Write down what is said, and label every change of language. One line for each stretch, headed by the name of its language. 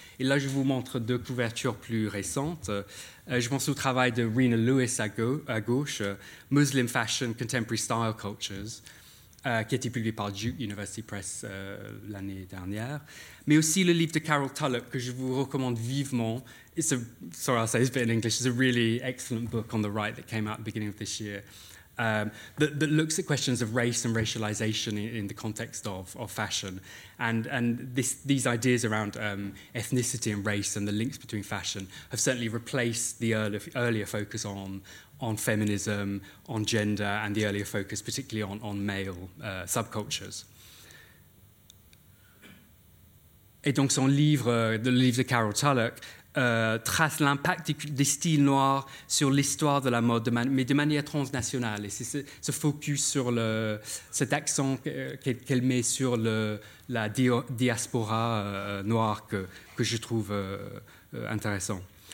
French: Et là, je vous montre deux couvertures plus récentes. Je pense au travail de Rena Lewis à gauche, Muslim Fashion, Contemporary Style Cultures, qui a été publié par Duke University Press l'année dernière, mais aussi le livre de Carol Tulloch que je vous recommande vivement.
English: It's a really excellent book on the right that came out at the beginning of this year. That looks at questions of race and racialization in the context of fashion, and these ideas around ethnicity and race and the links between fashion have certainly replaced the earlier focus on feminism, on gender, and the earlier focus particularly on male subcultures.
French: Et donc son livre, le livre de Carol Tulloch, trace l'impact des styles noirs sur l'histoire de la mode, mais de manière transnationale. Et c'est ce focus sur cet accent qu'elle met sur la diaspora noire que je trouve intéressant.